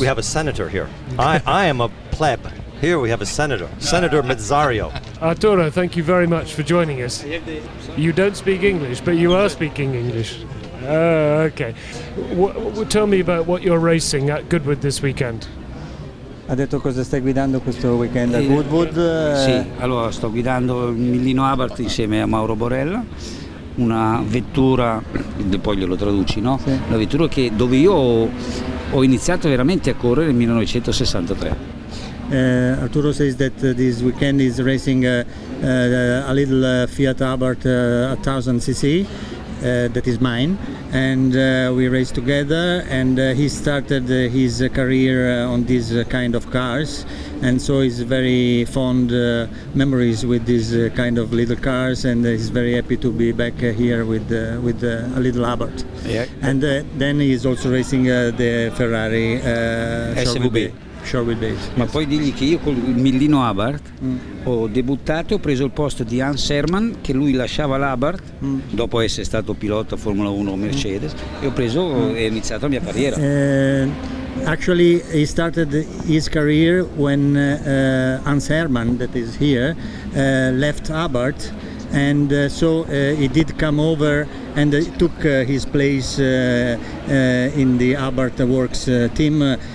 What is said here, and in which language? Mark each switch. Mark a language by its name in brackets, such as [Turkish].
[English] we have a senator here. I am a pleb. Here we have a senator, Senator Mazzario. Arturo, thank you very much for joining us. You don't speak English, but you are speaking English. Okay. Tell me about what you're racing at Goodwood this weekend. [Italian] Ha detto cosa stai guidando questo weekend a Goodwood? Sì, allora sto guidando il Millino Abarth insieme a Mauro Borella, una vettura, poi glielo traduci, no? Sì. La vettura che dove io ho iniziato veramente a correre nel 1963. [English] Arturo says that this weekend is racing a little Fiat Abarth 1000cc. That is mine, and we raced together, and he started his career on these kind of cars, and so he's very fond memories with these kind of little cars, and he's very happy to be back here with a little Abarth. Yeah. And then he's also racing the Ferrari [Italian] SVB. Ma [English] yes. [Italian] Poi digli che io col Millino Abarth ho debuttato e ho preso il posto di Hans Herrmann, che lui lasciava l'Abarth dopo essere stato pilota Formula 1 Mercedes, e ho preso e ho iniziato la mia carriera. [English] Actually, he started his career when Hans Herrmann, that is here, left Abarth, and so he did come over and took his place in the Abarth Works team.